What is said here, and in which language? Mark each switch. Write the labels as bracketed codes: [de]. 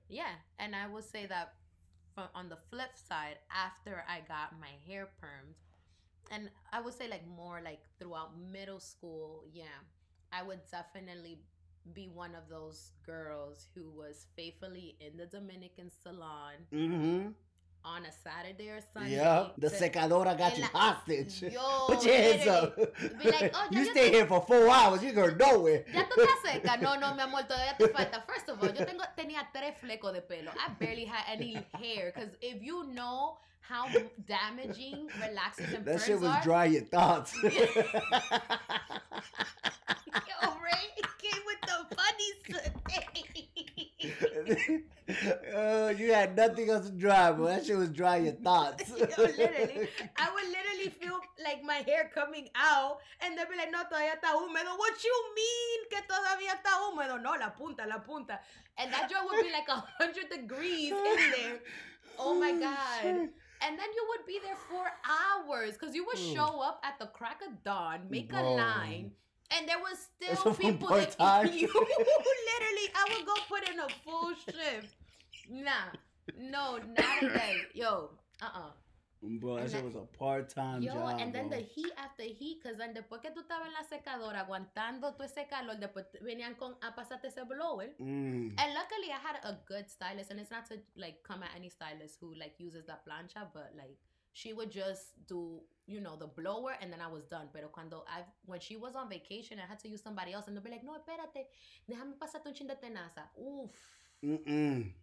[en] Yeah, and I will say that on the flip side, after I got my hair permed, and I would say like more like throughout middle school, yeah, I would definitely be one of those girls who was faithfully in the Dominican salon. Mm-hmm. On a Saturday or Sunday. Yeah, the secadora got you hostage. Yo, put your hands up. Be like, oh, you stay here for 4 hours. You're going nowhere. [es] Ya tú estás seca. No, no, mi amor, todavía te falta. [en] First of all, [es] yo tenía tres flecos de pelo. [en] I barely had any hair. Because if you know how damaging relaxers and perms are. That shit was dry your thoughts. Yo, Ray came with the funnies today. You had nothing else to dry, bro. That shit was dry your thoughts. Literally, I would literally feel like my hair coming out, and they'd be like, [es] no, todavía está húmedo. [en] What you mean [es] que todavía está húmedo? No, la punta, la punta. [en] And that joint would be like 100 degrees in there. Oh my God. And then you would be there for hours, because you would show up at the crack of dawn, make a line. And there was still people that you literally, I would go put in a full shift. Nah. No, not again. Yo, Bro, that shit was a part-time job. Yo, and then the heat after heat, because then [es] después que tú estabas en la secadora aguantando todo ese calor, después venían con a pasarte ese blower. [en] And luckily, I had a good stylist, and it's not to, like, come at any stylist who, like, uses la plancha, but, like, she would just do, you know, the blower, and then I was done. [es] Pero cuando [en] when she was on vacation, I had to use somebody else, and they'd be like, [es] no, espérate, déjame pasarte un chin de tenaza. [en] Oof. Mm-mm.